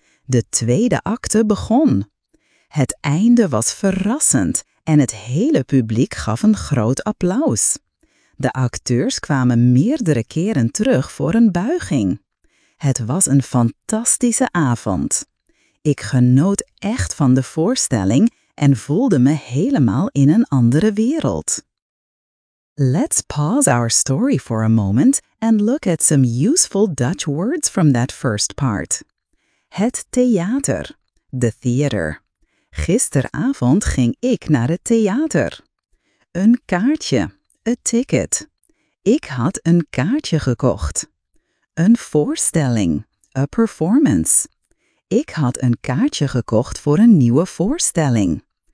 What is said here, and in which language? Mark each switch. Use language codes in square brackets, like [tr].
[nl] De tweede acte begon. Het einde was verrassend en het hele publiek gaf een groot applaus. De acteurs kwamen meerdere keren terug voor een buiging. Het was een fantastische avond. Ik genoot echt van de voorstelling en voelde me helemaal in een andere wereld. [en] Let's pause our story for a moment and look at some useful Dutch words from that first part. [nl] Het theater, [en] the theater. [nl] Gisteravond ging ik naar het theater. Een kaartje, [en] a ticket. [nl] Ik had een kaartje gekocht. Een voorstelling, [en] a performance. [nl] Ik had een kaartje gekocht voor een nieuwe voorstelling.